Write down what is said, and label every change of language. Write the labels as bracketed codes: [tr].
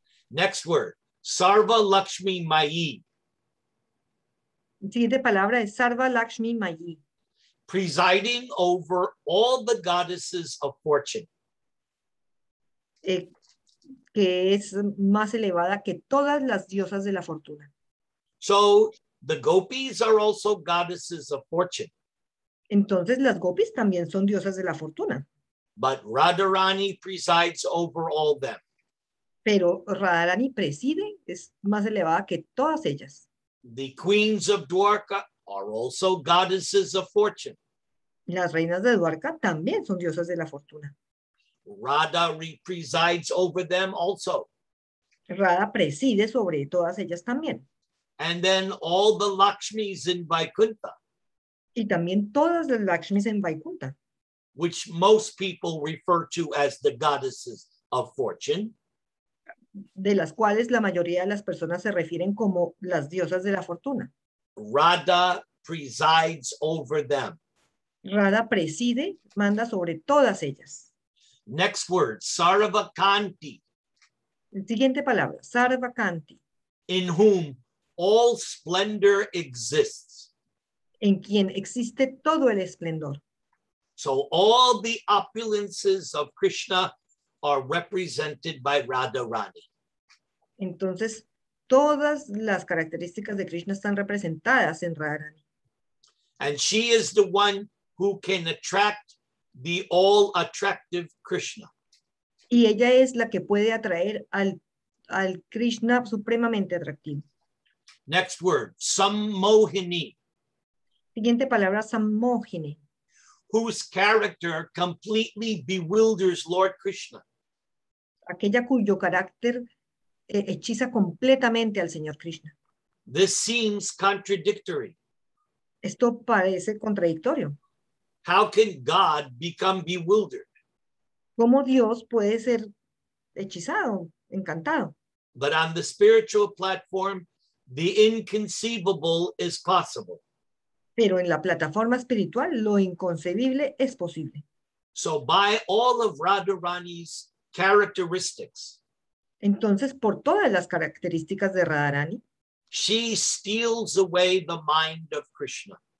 [en] Next word, Sarva Lakshmi Mayi. [es] Siguiente palabra es Sarva Lakshmi Mayi. [en] Presiding over all the goddesses of fortune. [es] Que es más elevada que todas las diosas de la fortuna. [en] So the gopis are also goddesses of fortune. [es] Entonces las gopis también son diosas de la fortuna. [en] But Radharani presides over all them. [es] Pero Radharani preside, es más elevada que todas ellas. [en] The queens of Dwarka are also goddesses of fortune. [es] Las reinas de Dwarka también son diosas de la fortuna. [en] Radha presides over them also. [es] Radha preside sobre todas ellas también. [en] And then all the Lakshmis in Vaikuntha. [es] Y también todas las Lakshmis en Vaikuntha. [en] Which most people refer to as the goddesses of fortune. [es] De las cuales la mayoría de las personas se refieren como las diosas de la fortuna. [en] Radha presides over them. [es] Radha preside, manda sobre todas ellas. [en] Next word, Sarvakanti. [es] Siguiente palabra, Sarvakanti. [en] In whom all splendor exists. [es] En quien existe todo el esplendor. [en] So all the opulences of Krishna are represented by Radharani. [es] Entonces, todas las características de Krishna están representadas en Radharani. [en] And she is the one who can attract the all-attractive Krishna. [es] Y ella es la que puede atraer al Krishna supremamente atractivo. [en] Next word, Sammohini. [es] Siguiente palabra, Sammohini. [en] Whose character completely bewilders Lord Krishna. [es] Aquella cuyo carácter hechiza completamente al señor Krishna. [en] This seems contradictory. [es] Esto parece contradictorio. [en] How can God become bewildered? [es] ¿Cómo Dios puede ser hechizado, encantado? [en] But on the spiritual platform, the inconceivable is possible. [es] Pero en la plataforma espiritual, lo inconcebible es posible. [en] So by all of Radharani's characteristics, [es] entonces, por todas las características de Radharani, [en] she steals away the mind of Krishna.